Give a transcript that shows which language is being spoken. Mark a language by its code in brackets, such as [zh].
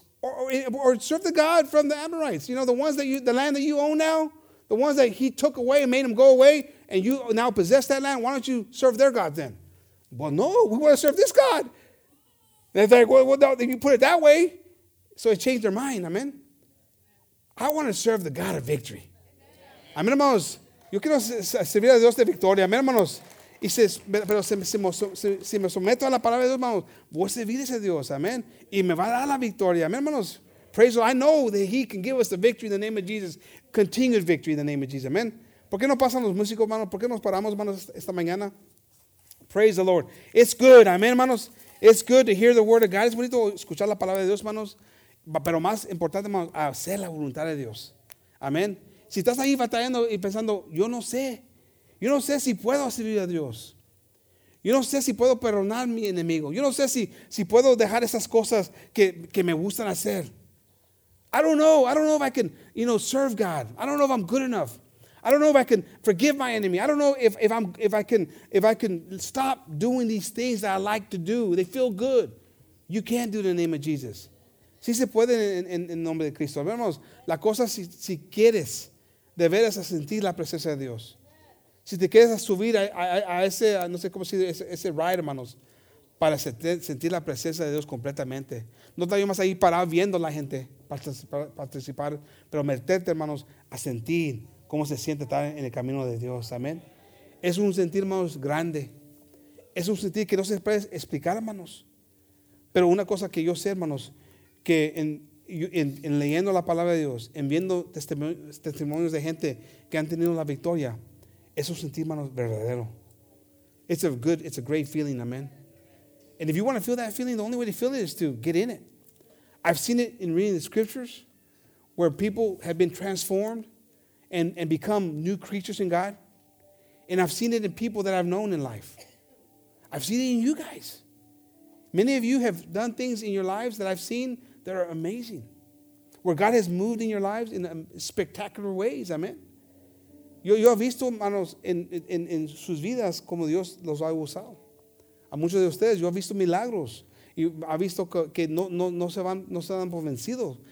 [en] Or serve the God from the Amorites, you know, the ones that the land that you own now, the ones that he took away and made them go away, and you now possess that land, why don't you serve their God then? Well, no, we want to serve this God. And they're like, well, if you put it that way, so it changed their mind, amen? I want to serve the God of victory. [es] Amen, hermanos. Yo quiero servir a Dios de victoria. Amen, hermanos. Y pero si me someto a la palabra de Dios, hermanos, voy a servir a ese Dios, amen? Y me va a dar la victoria, amen, hermanos. [en] Praise God. I know that he can give us the victory in the name of Jesus, continued victory in the name of Jesus, amen? [es] ¿Por qué no pasan los músicos, hermanos? ¿Por qué nos paramos, hermanos, esta mañana? [en] Praise the Lord. It's good, amen, hermanos. It's good to hear the word of God. [es] Es bonito escuchar la palabra de Dios, hermanos. Pero más importante, hermanos, hacer la voluntad de Dios. Amén. Si estás ahí batallando y pensando, yo no sé si puedo servir a Dios. Yo no sé si puedo perdonar a mi enemigo. Yo no sé si puedo dejar esas cosas que me gustan hacer. [en] I don't know. I don't know if I can, you know, serve God. I don't know if I'm good enough. I don't know if I can forgive my enemy. I don't know if I can stop doing these things that I like to do. They feel good. You can't do it in the name of Jesus. [es] Sí se puede en nombre de Cristo. Hermanos, la cosa si quieres de veras a sentir la presencia de Dios. Si te quieres a subir a ese, no sé cómo decir, ese ride, hermanos, para sentir la presencia de Dios completamente. No estar yo más ahí parado viendo a la gente participar, pero meterte, hermanos, a sentir cómo se siente estar en el camino de Dios. Amén. Es un sentir, hermanos, grande. Es un sentir que no se puede explicar, hermanos. Pero una cosa que yo sé, hermanos, que en leyendo la palabra de Dios, en viendo testimonios de gente que han tenido la victoria, es un sentir, hermanos, verdadero. [en] It's a great feeling, amen. And if you want to feel that feeling, the only way to feel it is to get in it. I've seen it in reading the scriptures where people have been transformed and become new creatures in God. And I've seen it in people that I've known in life. I've seen it in you guys. Many of you have done things in your lives that I've seen that are amazing, where God has moved in your lives in spectacular ways, amen. [es] Yo he visto, hermanos, en sus vidas como Dios los ha usado. A muchos de ustedes, yo he visto milagros. Y he visto que no se dan por vencidos.